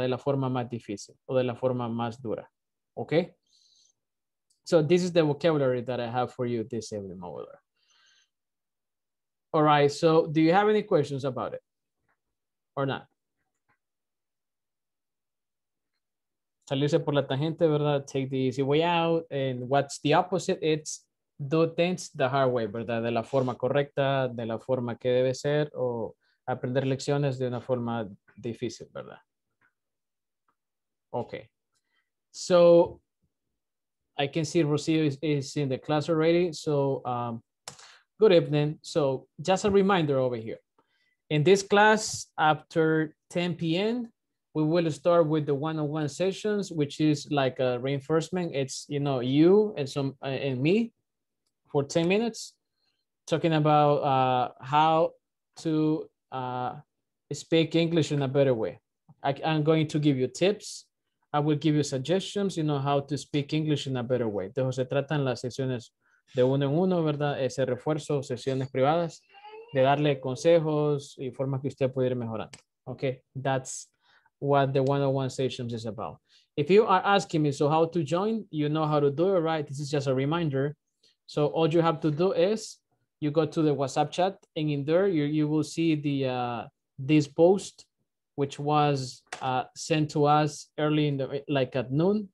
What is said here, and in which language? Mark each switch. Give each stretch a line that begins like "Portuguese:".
Spanish: De la forma más difícil o de la forma más dura, okay?
English: So this is the vocabulary that I have for you this evening, my brother. All right, so do you have any questions about it or not?
Spanish: Salirse por la tangente, ¿verdad?
English: Take the easy way out. And what's the opposite? It's do things the hard way, ¿verdad?
Spanish: De la forma correcta, de la forma que debe ser, o aprender lecciones de una forma difícil, ¿verdad?
English: Okay. So I can see Rocio is in the class already. So good evening. So just a reminder over here. In this class, after 10 p.m., we will start with the one-on-one sessions, which is like a reinforcement. It's, you know, you and me for 10 minutes, talking about how to speak English in a better way. I'm going to give you tips. I will give you suggestions, you know, how to speak English in a better way.
Spanish: De eso se tratan las sesiones de uno en uno, ¿verdad? Ese refuerzo, sesiones privadas, de darle consejos y formas que usted puede ir mejorando.
English: Okay, that's what the one-on-one sessions is about. If you are asking me, so how to join, you know how to do it, right? This is just a reminder. So all you have to do is you go to the WhatsApp chat, and in there you will see the this post, which was sent to us early in the, like at noon.